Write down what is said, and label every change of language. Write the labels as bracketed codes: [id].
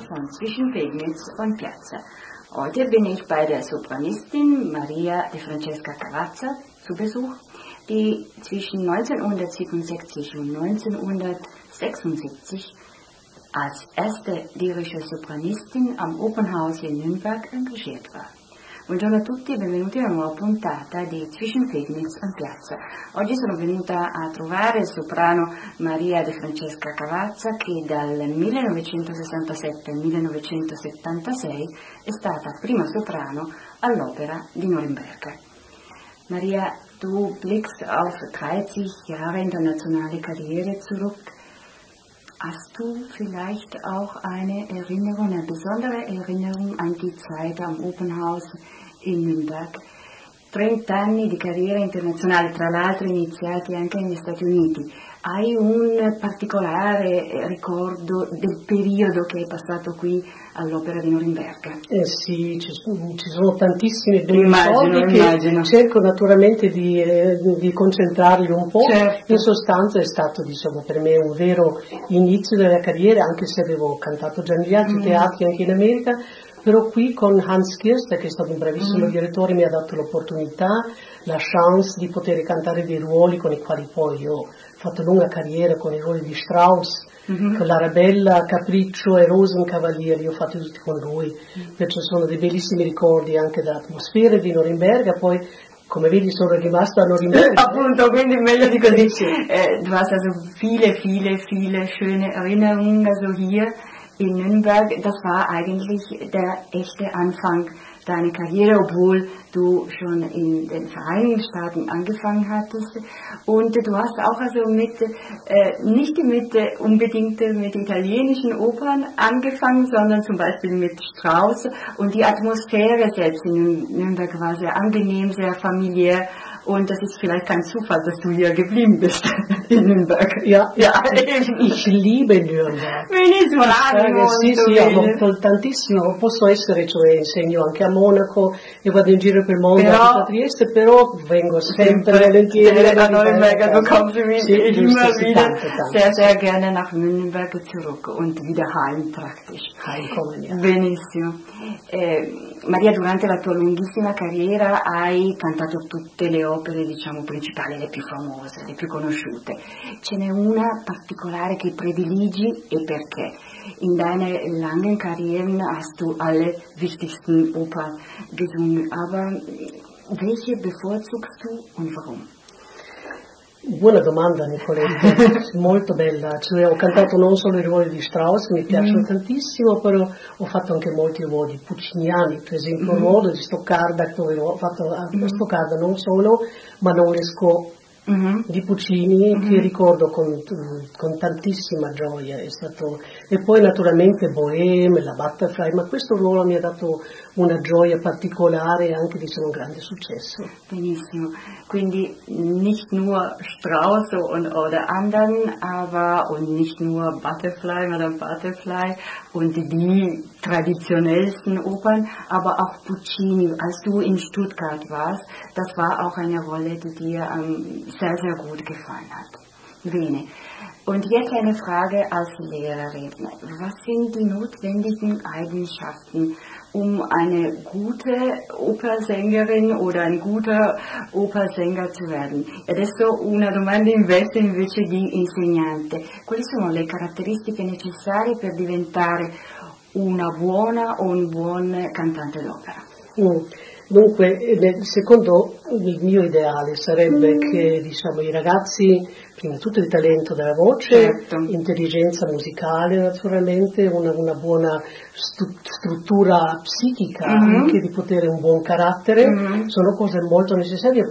[de] Zwischenpegnitz und Piazza. Heute bin ich bei der Sopranistin Maria De Francesca Cavazza zu Besuch, die zwischen 1967 und 1976 als erste lyrische Sopranistin am Opernhaus in Nürnberg engagiert war. [it] Buongiorno a tutti e benvenuti alla nuova puntata di Zwischenpegnitz und Piazza. Oggi sono venuta a trovare il soprano Maria De Francesca Cavazza, che dal 1967 al 1976 è stata prima soprano all'Opera di Norimberga. [de] Maria, du blickst auf 30 Jahre internationale Karriere zurück. Hast du vielleicht auch eine Erinnerung, eine besondere Erinnerung an die Zeit am Opernhaus in Nürnberg? [it] 30 anni di carriera internazionale, tra l'altro iniziati anche negli Stati Uniti. Hai un particolare ricordo del periodo che hai passato qui all'Opera di Norimberga? Sì, ci sono tantissime due ricordi che immagino. Cerco naturalmente di concentrarli un po'. Certo. In sostanza è stato, diciamo, per me un vero inizio della carriera, anche se avevo cantato già negli altri teatri anche in America. Però qui con Hans Kirst, che è stato un bravissimo direttore, mi ha dato l'opportunità, la chance di poter cantare dei ruoli con i quali poi io ho fatto lunga carriera, con i ruoli di Strauss, con l'Arabella, Capriccio e Rosenkavalier, li ho fatti tutti con lui, perciò sono dei bellissimi ricordi anche dell'atmosfera di Norimberga. Poi, come vedi, sono rimasto a Norimberga. Appunto, quindi meglio di così. [de] Du hast also viele schöne Erinnerungen so hier. In Nürnberg, das war eigentlich der echte Anfang deiner Karriere, obwohl du schon in den Vereinigten Staaten angefangen hattest. Und du hast auch also nicht unbedingt mit italienischen Opern angefangen, sondern zum Beispiel mit Strauss. Und die Atmosphäre selbst in Nürnberg war sehr angenehm, sehr familiär. Und das ist vielleicht kein Zufall, dass du hier geblieben bist in Nürnberg. Ja, ja. Ich liebe Nürnberg. [it] Benissimo, l'animo. Sì, amo tantissimo. Posso essere, cioè insegno anche a Monaco e vado in giro per il mondo, però, a Trieste, però vengo sempre volentieri a Nürnberg. [de] Du kommst immer wieder sehr, sehr gerne nach Nürnberg zurück und wieder heim praktisch. Heimkommen, ja. [it] Benissimo. Maria, durante la tua lunghissima carriera hai cantato tutte le opere, diciamo, principali, le più famose, le più conosciute. Ce n'è una particolare che prediligi e perché? [de] In deiner langen Karriere hast du alle wichtigsten Opern gesungen, aber welche bevorzugst du und warum? [it] Buona domanda, Nicoletta, molto bella. Cioè, ho cantato non solo i ruoli di Strauss, mi piacciono tantissimo, però ho fatto anche molti ruoli pucciniani, per esempio il ruolo di Stoccarda, dove ho fatto Stoccarda non solo, ma non riesco di Puccini, che ricordo con tantissima gioia. È stato, e poi naturalmente Bohème, la Butterfly, ma questo ruolo mi ha dato una gioia particolare e anche, diciamo, un grande successo. Benissimo, quindi [de] nicht nur Strauss und oder anderen, aber und nicht nur Butterfly, Madame Butterfly und die traditionellsten Opern, aber auch Puccini. Als du in Stuttgart warst, das war auch eine Rolle, die dir sehr, sehr gut gefallen hat. Bene. Und jetzt eine Frage als Lehrerin. Was sind die notwendigen Eigenschaften, um eine gute Opernsängerin oder ein guter Opernsänger zu werden? [it] Adesso una domanda inversa invece di insegnante. Quali sono le caratteristiche necessarie per diventare una buona o un buon cantante d'opera? Dunque, secondo Il mio ideale sarebbe che diciamo i ragazzi, prima di tutto il talento della voce, certo, intelligenza musicale naturalmente, una buona struttura psichica, anche di potere, un buon carattere, sono cose molto necessarie.